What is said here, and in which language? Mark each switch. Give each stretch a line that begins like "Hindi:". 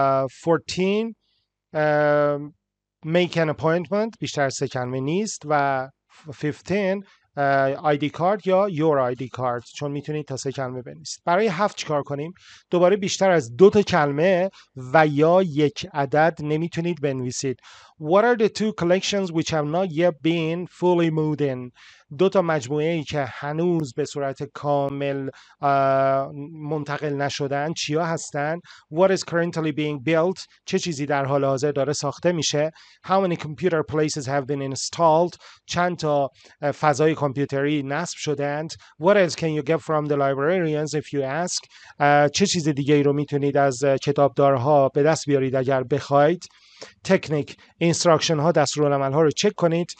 Persian: 14 make an appointment بیشتر از سه کلمه نیست. و 15 ID card یا your ID card چون میتونید تا سه کلمه بنویسید. برای 7 چیکار کنیم؟ دوباره بیشتر از دو تا کلمه و یا یک عدد نمیتونید بنویسید.
English: What are the two collections which have not yet been fully moved in?
Persian: دو تا مجموعه ای که هنوز به صورت کامل منتقل نشدن چیا هستن؟
English: What is currently being built؟
Persian: چه چیزی در حال حاضر داره ساخته میشه؟
English: How many computer places have been installed؟
Persian: چند تا فضای کامپیوتری نصب شدند؟
English: What else can you get from the librarians if you ask؟
Persian: چه چیز دیگه ای رو میتونید از کتابدارها به دست بیارید اگر بخواید؟ تکنیک اینستراکشن ها دستورالعمل ها رو چک کنید.